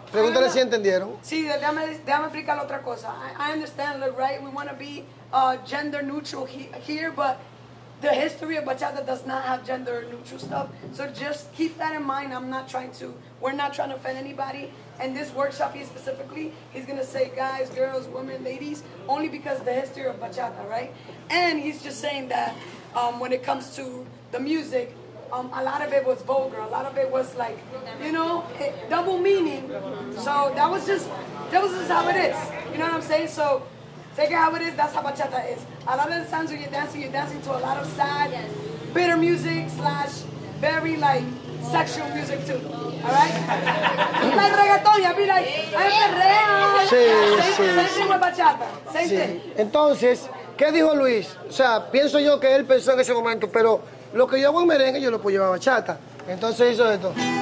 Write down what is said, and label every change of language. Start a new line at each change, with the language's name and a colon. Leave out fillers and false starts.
Spanish: Pregúntale si entendieron. Sí, déjame explicar otra cosa.
English: I understand, look, right? We want to be gender neutral here, but the history of bachata does not have gender neutral stuff. So just keep that in mind. We're not trying to offend anybody. And this workshop, he specifically, he's going to say guys, girls, women, ladies, only because of the history of bachata, right? And he's just saying that. When it comes to the music, a lot of it was vulgar. A lot of it was like, you know, double meaning. So that was just how it is. You know what I'm saying? So take it how it is. That's how bachata is. A lot of the times when you're dancing to a lot of sad, bitter music / very like sexual music too. All right? Like reggaeton, you'll be like, I'm a real. Same thing with bachata. Same thing.
Spanish: Entonces. ¿Qué dijo Luis? O sea, pienso yo que él pensó en ese momento, pero lo que yo hago en merengue, yo lo puedo llevar a bachata. Entonces hizo esto.